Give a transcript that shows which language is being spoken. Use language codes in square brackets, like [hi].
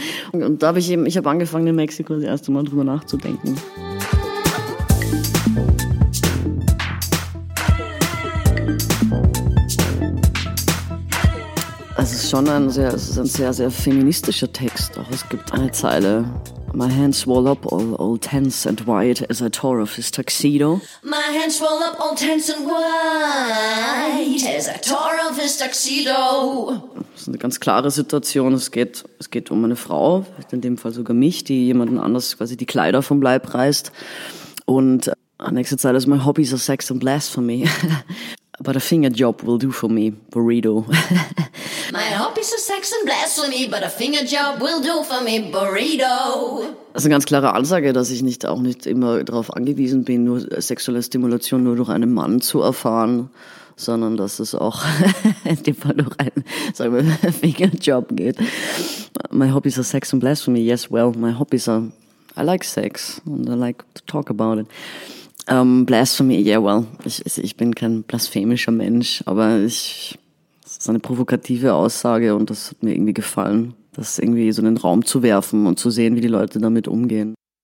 [de] Und da habe ich eben, ich habe angefangen, in Mexiko das erste Mal drüber nachzudenken. Also es ist schon ein sehr feministischer Text. Auch es gibt eine Zeile. [en] My hands swell up all tense and white as I tore off his tuxedo. My hands swell up all tense and white as I tore off his tuxedo. [de] Das ist eine ganz klare Situation. Es geht um eine Frau, in dem Fall sogar mich, die jemanden anders quasi die Kleider vom Leib reißt. Und nächste Zeile ist: [en] My hobbies are sex and blasphemy. but a finger job will do for me, burrito. My hobbies are sex and blasphemy, but a finger job will do for me, burrito. [de] Das ist eine ganz klare Ansage, dass ich nicht auch nicht immer darauf angewiesen bin, nur sexuelle Stimulation nur durch einen Mann zu erfahren, sondern dass es auch in dem Fall durch einen, sagen wir, Fingerjob geht. [en] My hobbies are sex and blasphemy. Yes, well, my hobbies are, I like sex and I like to talk about it. Blasphemy, yeah, well, [de] ich bin kein blasphemischer Mensch, aber es ist eine provokative Aussage und das hat mir irgendwie gefallen, das irgendwie so in den Raum zu werfen und zu sehen, wie die Leute damit umgehen.